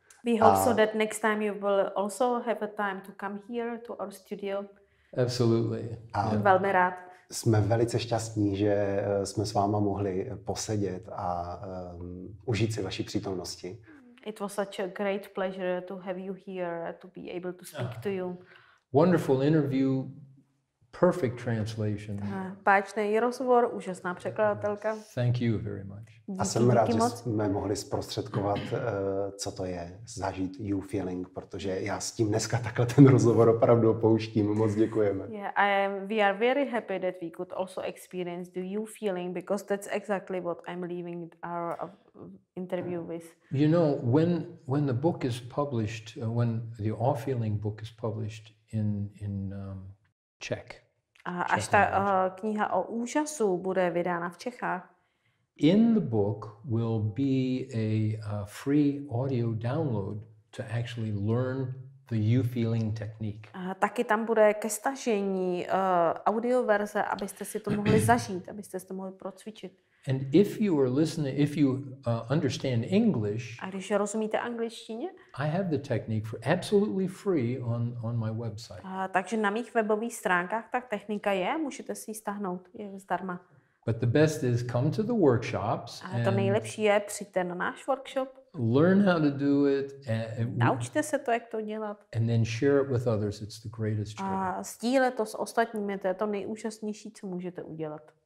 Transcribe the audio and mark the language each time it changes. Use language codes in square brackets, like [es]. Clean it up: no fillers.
[en] We hope so that next time you will also have a time to come here to our studio. Absolutely. [cs] A yeah. Velmi rád. Jsme velice šťastní, že jsme s váma mohli posedět a užít si vaší přítomnosti. [en] It was such a great pleasure to have you here, to be able to speak to you. Wonderful interview, perfect translation. [cs] Páčný rozhovor, úžasná překladatelka. [en] Thank you very much. [cs] A jsem rád, že jsme mohli zprostředkovat, co to je zažít you feeling, protože já s tím dneska takhle ten rozhovor opravdu pouštím. Moc děkujeme. [en] Yeah, we are very happy that we could also experience the you feeling, because that's exactly what I'm leaving our interview with. You know, when the book is published, when the all feeling book is published in Czech. [cs] A až ta kniha o úžasu bude vydána v Čechách. [en] In the book will be a free audio download to actually learn the you feeling technique. [cs] Taky tam bude ke stažení audio verze, abyste si to mohli zažít, abyste si to mohli procvičit. [en] And if you are listening, if you understand English, [cs] a když rozumíte angličtině, [en] I have the technique for absolutely free on my website. [cs] Takže na mých webových stránkách ta technika je, můžete si ji stáhnout, je zdarma. [en] But the best is come to the workshops. [cs] A to nejlepší je přijďte na náš workshop. [en] Learn how to do it. [cs] Naučte se to, jak to dělat. [en] And then share it with others. It's the greatest joy. [cs] A sdílet to s ostatními, to je to nejúžasnější, co můžete udělat.